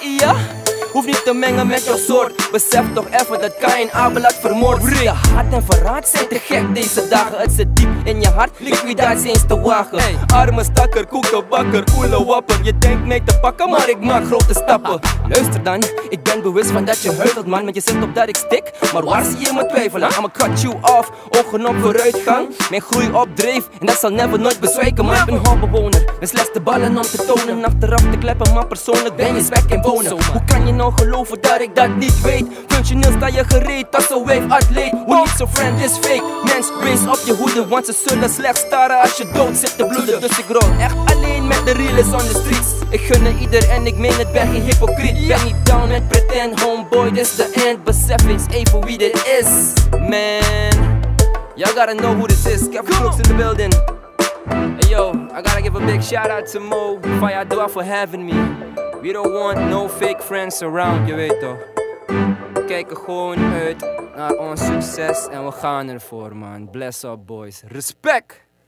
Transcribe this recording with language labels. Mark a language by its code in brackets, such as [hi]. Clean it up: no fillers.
[nl] Ja, hoef niet te mengen met jouw soort. Besef toch even dat Kain Abel had vermoord. De haat en verraad zijn te gek deze dagen. Het zit diep in je hart, liquidatie eens te wagen. Arme stakker, koekenbakker, oele wapper. Je denkt mij te pakken, maar ik maak grote stappen. Luister dan, ik ben bewust van dat je huilt, man. Want je zit op dat ik stik, maar waar zie je me twijfelen? [en] I'ma cut you off, [nl] ogen op vooruitgang. Mijn groei op dreef, en dat zal never nooit bezwijken. Maar ik ben hopbewoner, mijn slechtste ballen om te tonen. Achteraf te kleppen, maar persoonlijk ben je zwek en wonen. Hoe kan je nou geloven dat ik dat niet weet? Functioneel sta je gereed, als een wave atleet. [en] Who needs a friend is fake, [nl] mens, race op je hoede. Want ze zullen slecht staren als je dood zit te bloeden. Dus ik rol echt alleen met de [en] realists on the streets. [nl] Ik gun het ieder en ik meen het, ben geen hypocriet. Ben niet down met pretend, [en] homeboy, this the end. [nl] Besef eens even wie dit is, man. [en] Y'all gotta know who this is, Kevin Crooks in the building. Hey yo, I gotta give a big shout out to Mo Faya Dua for having me. We don't want no fake friends around, [nl] je weet toch. We kijken gewoon uit naar ons succes en we gaan ervoor, man. [en] Bless up, boys. [nl] Respect!